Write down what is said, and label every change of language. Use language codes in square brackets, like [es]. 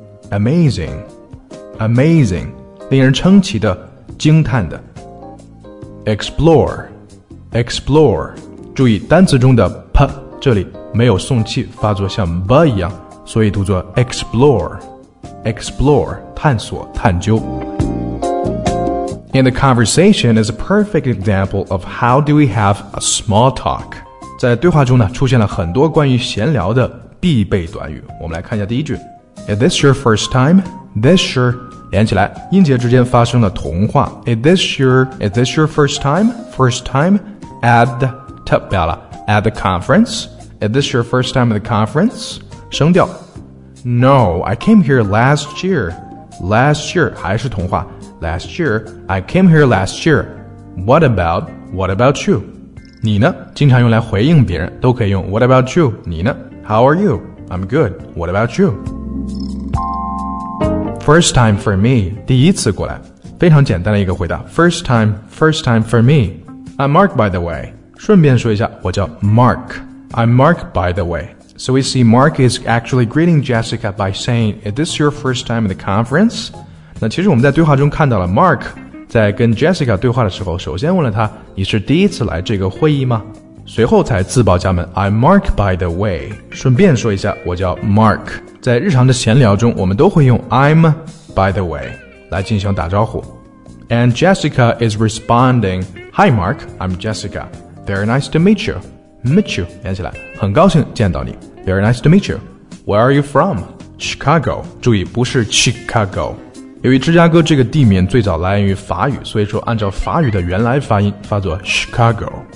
[zh] amazing, amazing, 令人称奇的，惊叹的。 [en] Explore, [zh] explore, 注意单词中的 p 这里没有送气，发作像 b 一样，所以读作 explore, [en] explore, [zh] 探索，探究。 [en] And the conversation is a perfect example of how do we have a small talk. [zh] 在对话中呢，出现了很多关于闲聊的必备短语。我们来看一下第一句。 [en] Is this your first time? This sure. [zh] 连起来，音节之间发生了同化。 [en] Is this your first time? First time at the, [zh] 特别了， [en] at the conference. Is this your first time at the conference? [zh] 声调。 [en] No, I came here last year. Last year, [zh] 还是同化。 [en] Last year, I came here last year. What about you? [zh] 你呢？经常用来回应别人，都可以用 [en] What about you? [zh] 你呢？ [en] How are you? I'm good. What about you? First time for me. [zh] 第一次过来，非常简单的一个回答。 [en] First time for me. I'm Mark, by the way. [zh] 顺便说一下，我叫 Mark. [en] I'm Mark, by the way. So we see Mark is actually greeting Jessica by saying, Is this your first time at the conference? [zh] 那其实我们在对话中看到了 Mark 在跟 Jessica 对话的时候，首先问了他，你是第一次来这个会议吗？随后才自报家门， [en] I'm Mark by the way. [zh] 顺便说一下，我叫 Mark。在日常的闲聊中，我们都会用 [en] I'm by the way [zh] 来进行打招呼。 [en] And Jessica is responding, Hi Mark, I'm Jessica. Very nice to meet you. Meet you, [zh] 连起来，很高兴见到你。 [en] Very nice to meet you. Where are you from? Chicago. [zh] 注意，不是 Chicago， 由于芝加哥这个地名最早来源于法语，所以说按照法语的原来发音发作 Chicago。